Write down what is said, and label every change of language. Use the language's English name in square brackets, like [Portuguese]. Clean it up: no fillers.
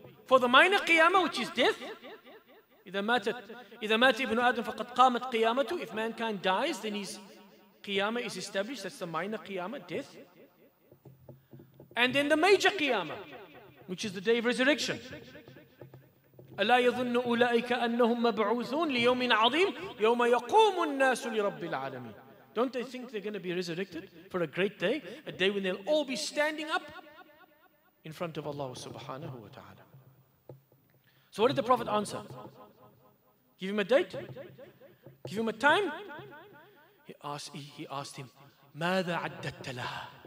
[English] For the minor qiyamah, which is death, [Arabic] إذا مات ابن آدم فقد قامت قيامته. [English] If mankind dies, then his qiyamah is established. That's the minor qiyamah, death. And then the major qiyamah, which is the day of resurrection. [Arabic] ألا يظن أولئك أنهم مبعوثون ليوم عظيم يوم يقوم الناس لرب العالمين. [English] Don't they think they're going to be resurrected for a great day, a day when they'll all be standing up in front of Allah subhanahu wa ta'ala? So what did the Prophet answer? Give him a date? Give him a time? He asked him, [Arabic] مَاذَا عَدَّدْتَ لَهَا.